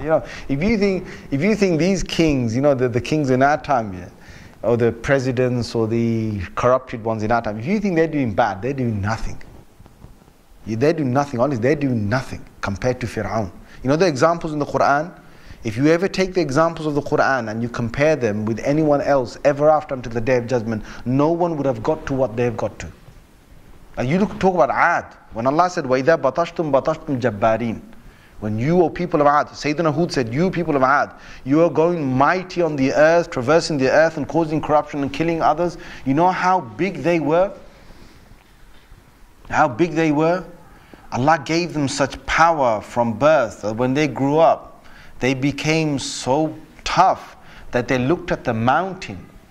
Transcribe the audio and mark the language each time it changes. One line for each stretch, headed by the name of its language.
English: You know, if you think these kings, the kings in our time, or the presidents or the corrupted ones in our time, if you think they're doing bad, they're doing nothing. They're doing nothing compared to Fir'aun. You know the examples in the Quran? If you ever take the examples of the Quran and you compare them with anyone else ever after until the Day of Judgment, no one would have got to what they've got to. And you talk about Ad. When Allah said,
Arabic: وَإِذَا بَطَشْتُمْ بَطَشْتُمْ جَبَّارِينَ.
English: When you, O people of Ad, Sayyidina Hud said, you people of Ad, you are going mighty on the earth, traversing the earth and causing corruption and killing others. You know how big they were? How big they were? Allah gave them such power from birth that when they grew up, they became so tough that they looked at the mountain.